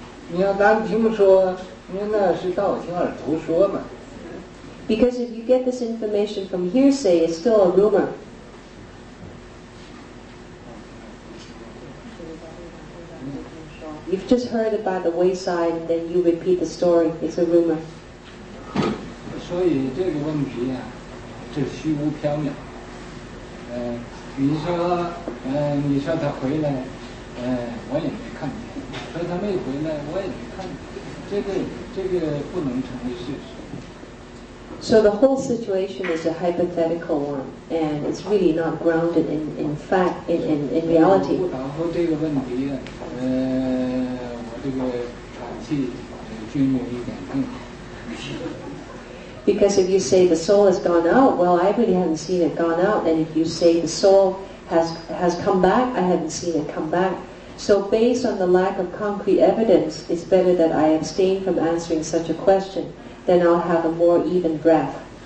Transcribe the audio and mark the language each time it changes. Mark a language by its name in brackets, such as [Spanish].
[Chinese] 你要单听说，那是道听而途说嘛。 [English] Because if you get this information from hearsay, it's still a rumor. [Chinese] 你 [English] You've just heard about the wayside, then you repeat the story. It's a rumor. [Chinese] 所以这个问题啊，是虚无缥缈。你说他回来，我也没看见。说他没回来，我也没看见。这个不能成为事实。 [English] So the whole situation is a hypothetical one, and it's really not grounded in fact, in reality. [Chinese] 然后这个问题，我这个喘气均匀一点更好。 [English] Because if you say the soul has gone out, well, I really haven't seen it gone out. And if you say the soul has come back, I haven't seen it come back. So based on the lack of concrete evidence, it's better that I abstain from answering such a question, then I'll have a more even breath.